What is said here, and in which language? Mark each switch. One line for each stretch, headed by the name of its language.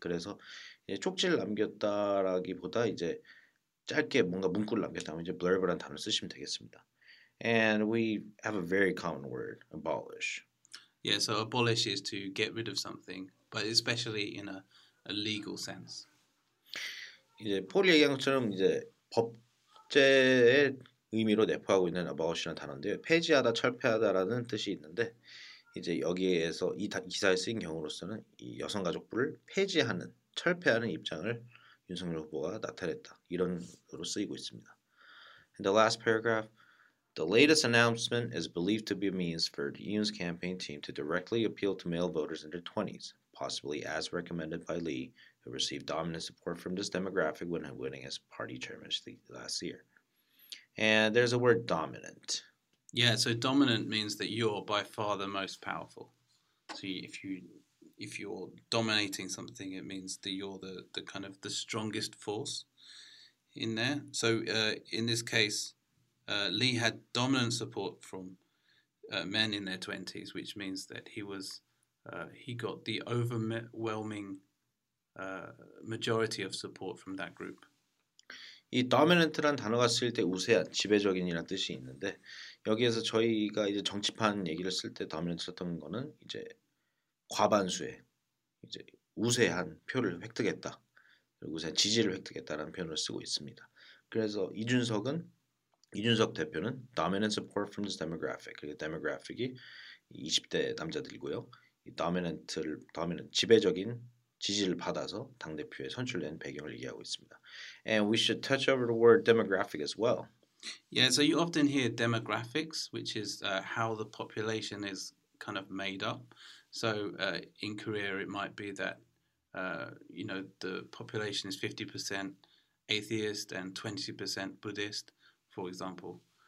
Korean: 그래서 이제 쪽지를 남겼다라기보다 이제 짧게 뭔가 문구를 남겼다면 이제 blurb라는 단어 쓰시면 되겠습니다.
English: And we have a very common word, abolish. Yeah, so abolish is to get rid of something, but especially in a legal sense.
Korean: 이제 폴이 얘기한 것처럼 이제 법제의 의미로 내포하고 있는 abolish라는 단어인데 폐지하다, 철폐하다라는 뜻이 있는데 이제 여기에서 이 기사에 쓰인 경우로서는 이 여성가족부를 폐지하는, 철폐하는 입장을 윤석열 후보가 나타냈다, 이런 으로 쓰이고 있습니다.
English: In the last paragraph, the latest announcement is believed to be a means for Yoon's campaign team to directly appeal to male voters in their 20s, possibly as recommended by Lee, who received dominant support from this demographic when winning as party chairman last year. And there's a word dominant. Yeah, so dominant means that you're by far the most powerful. So if you're dominating something, it means that you're the kind of the strongest force in there. So in this case, Lee had dominant support from men in their 20s, which means that he was he got the overwhelming majority of support from that group.
Korean: 이 dominant란 단어가 쓰일 때 우세한, 지배적인이라는 뜻이 있는데 여기에서 저희가 이제 정치판 얘기를 쓸 때 dominant 썼던 거는 이제 과반수의 이제 우세한 표를 획득했다, 우세한 지지를 획득했다라는 표현을 쓰고 있습니다. 그래서 이준석 대표는
English: dominant support from this demographic.
Korean: 그 demographic이 20대 남자들이고요. 이 dominant를 dominant 지배적인 지지를 받아서 당대표에 선출된 배경을 얘기하고 있습니다.
English: And we should touch over the word demographic as well. Yeah, so you often hear demographics, which is how the population is kind of made up. So in Korea, it might be that, you know, the population is 50% atheist and 20% Buddhist, for example.